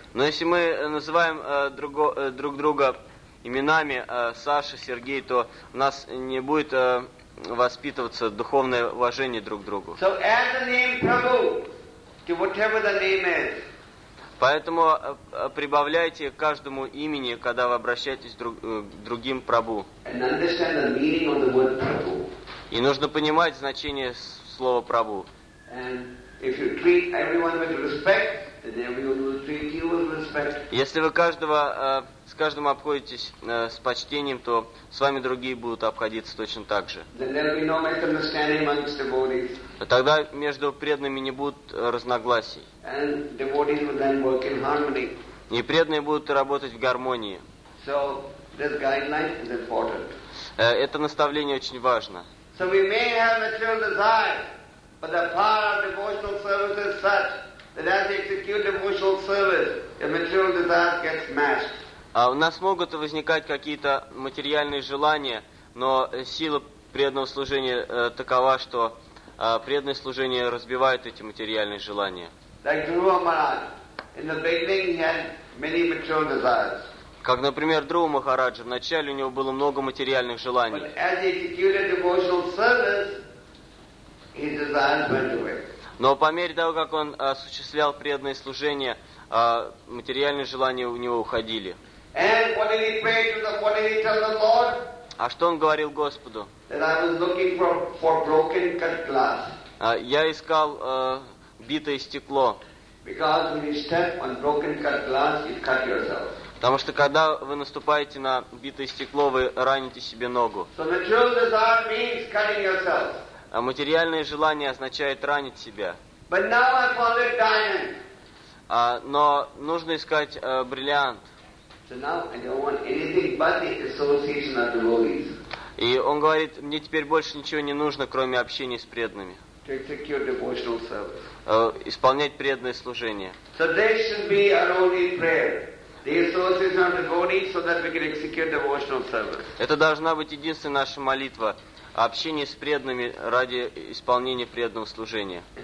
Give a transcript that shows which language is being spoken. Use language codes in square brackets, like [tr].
[ru] Но если мы называем друг друга именами Саша, Сергей, то у нас не будет воспитываться духовное уважение друг к другу. [en] So, as the name Prabhu, to whatever the name is. [ru] Поэтому прибавляйте к каждому имени, когда вы обращаетесь к другим Прабу. [en] And understand the meaning of the word Prabhu. [ru] И нужно понимать значение слова Прабу. [en] And if you treat everyone with respect, then everyone will treat you with respect. [ru] Если вы с каждым обходитесь с почтением, то с вами другие будут обходиться точно так же. [en] Then there'll be no misunderstanding amongst devotees. [ru] Тогда между преданными не будет разногласий. [en] And devotees will then work in harmony. [ru] И преданные будут работать в гармонии. [en] So this guideline is important. [ru] Это наставление очень важно. [en] So we may have material desire, but the power of devotional service is such that as we execute devotional service, the material desire gets smashed. [ru] У нас могут возникать какие-то материальные желания, но сила преданного служения такова, что преданное служение разбивает эти материальные желания. [en] Like Dhruva Maharaj, in the beginning he had many material desires. [ru] Как, например, Друва Махараджа, вначале у него было много материальных желаний. [en] But as he executed devotional service, his desires went away. [ru] Но по мере того, как он осуществлял преданное служение, материальные желания у него уходили. [en] And what did he pray to the, what did he tell the Lord? [ru] А что он говорил Господу? [en] That I was looking for broken cut glass. [ru] Я искал битое стекло. [en] Because when you step on broken cut glass, you cut yourself. [ru] Потому что когда вы наступаете на битое стекло, вы раните себе ногу. [en] So the true desire means cutting yourself. [ru] А материальное желание означает ранить себя. [en] But now I found a diamond. [ru] Но нужно искать бриллиант. [en] So now I don't want anything but the association of devotees. [ru] И он говорит, мне теперь больше ничего не нужно, кроме общения с преданными. [en] To execute devotional service. [ru] Исполнять преданное служение. [en] So this should be our only prayer. The association of devotees so that we can execute devotional service. [ru] Это должна быть единственная наша молитва. Общение с преданными ради исполнения преданного служения.